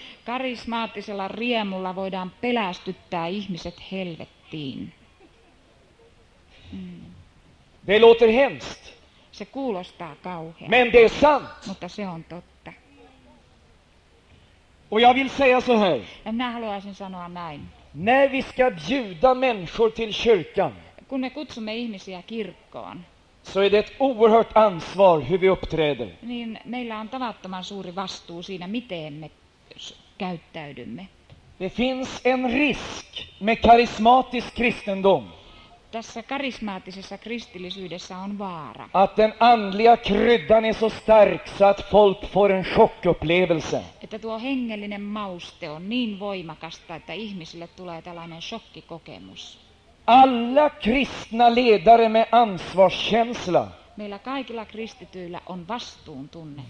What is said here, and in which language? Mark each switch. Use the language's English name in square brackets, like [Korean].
[Finnish] Karismaattisella riemulla voidaan pelästyttää ihmiset helvettiin. [Swedish] Det låter hemskt. [Finnish] Se kuulostaa kauhean. [Swedish] Men det är sant. [Finnish] Mutta se on totta. [Swedish] Och jag vill säga så här. [Finnish] Ja minä haluaisin sanoa näin. [Swedish] När vi ska bjuda människor till kyrkan. [Finnish] Kun me kutsumme ihmisiä kirkkoon. [Swedish] Så är det ett oerhört ansvar hur vi uppträder. [Finnish] Niin meillä on tavattoman suuri vastuu siinä miten me käyttäydymme. [Swedish] Det finns en risk med karismatisk kristendom. [Finnish] Tässä karismaattisessa kristillisyydessä on vaara. [Swedish] Att den andliga kryddan är så stark så att folk får en chockupplevelse. [Finnish] Että tuo hengellinen mauste on niin voimakasta, että ihmisille tulee tällainen shokkikokemus. [Swedish] Alla kristna ledare med ansvarskänsla. [Finnish] Meillä kaikilla kristityillä on vastuuntunne.